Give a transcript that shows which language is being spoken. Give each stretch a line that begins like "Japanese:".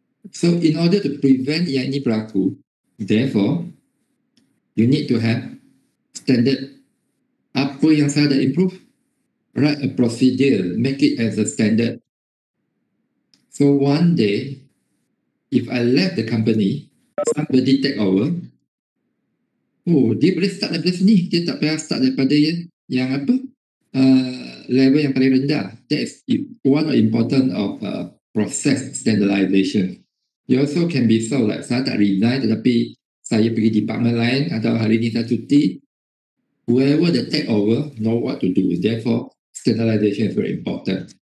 English: So, in order to prevent
Malay: yang ini berlaku,
English: therefore, you need to have standard.
Malay: Apa yang saya dah improve?
English: Write a procedure, make it as a standard. So one day, if I left the company, somebody take over.
Malay: Oh, dia boleh start daripada sini. Dia tak payah start daripada yang apa? Level yang paling rendah.
English: That is one of important of process standardization. You also can be so like,
Malay: saya tak resign tetapi saya pergi department lain atau hari ini saya cuti.
English: Whoever the take over know what to do. Therefore, standardization is very important.